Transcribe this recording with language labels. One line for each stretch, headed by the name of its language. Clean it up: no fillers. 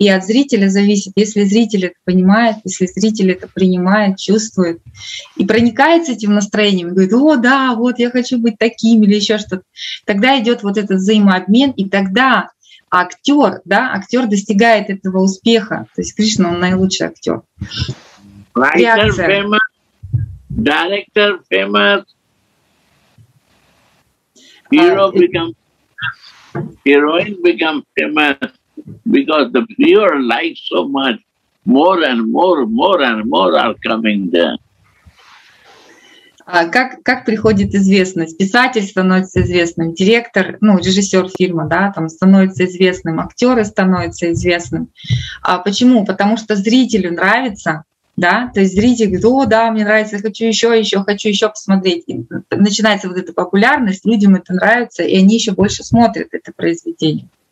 Russian: И от зрителя зависит, если зритель это понимает, если зритель это принимает, чувствует и проникается этим настроением, говорит, о, да, вот я хочу быть таким или еще что-то. Тогда идет вот этот взаимообмен, и тогда актер, да, актер достигает этого успеха. То есть Кришна, он наилучший актер.
English: Writer famous, director famous, hero become famous, heroine become famous because the viewer likes so much. More and more are coming there.
Russian: Как приходит известность? Писатель становится известным, директор, ну, режиссер фильма, да, там становится известным, актеры становятся известным. А почему? Потому что зрителю нравится, да, то есть зритель говорит, о, да, мне нравится, хочу еще посмотреть. И начинается вот эта популярность, людям это нравится, и они еще больше смотрят это произведение.